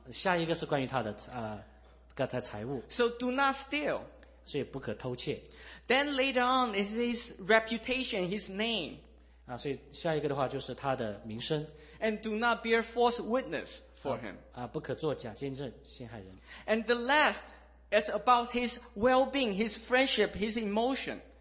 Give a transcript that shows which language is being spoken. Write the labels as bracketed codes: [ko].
[zh] 下一个是关于他的财务。 [en] So do not steal. [zh] 所以不可偷窃。 [en] Then later on is his reputation, his name. [zh] 所以下一个的话就是他的名声。 [en] And do not bear false witness for him. [zh] 不可做假见证陷害人。 [en] And the last is about his well-being, his friendship, his emotion.